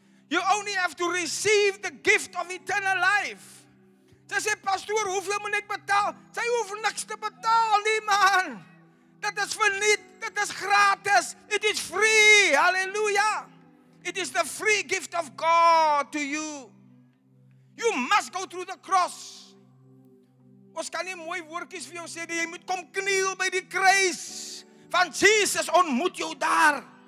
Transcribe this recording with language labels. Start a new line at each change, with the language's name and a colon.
English: You only have to receive the gift of eternal life.
Afrikaans: Sy sê, pastoor, hoeveel moet ek betaal? Sy hoef niks te betaal nie, man. Dit is verniet. Dit is gratis.
English: It is free.
Afrikaans: Hallelujah.
English: It is the free gift of God to you. You must go through the cross.
Afrikaans: Ons kan nie mooi woordjies vir jou sê, jy moet kom kniel by die kruis. Van Jesus ontmoet jou daar.